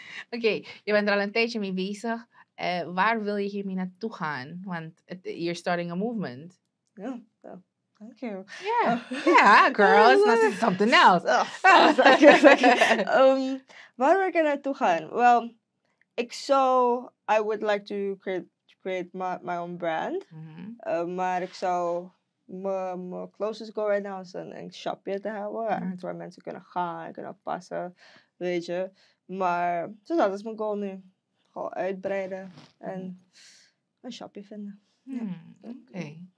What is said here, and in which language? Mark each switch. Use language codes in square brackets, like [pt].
[nl] Okay, je bent er al een tijdje mee bezig. Waar wil je hiermee naartoe gaan? [en] Want you're starting a movement. Yeah, so, thank you. Yeah, girl, it's not something else. Thank you. [nl] Waar wil ik naartoe gaan? Well, ik zou [en] I would like to create my own brand. Mm-hmm. [nl] Maar ik zou mijn [en] closest goal right now [nl] is een shopje te hebben. Mm-hmm. En waar mensen kunnen gaan en kunnen passen. Weet je. Maar dus dat is mijn goal nu. Gewoon uitbreiden en een shopje vinden. Mm-hmm. Ja. Okay.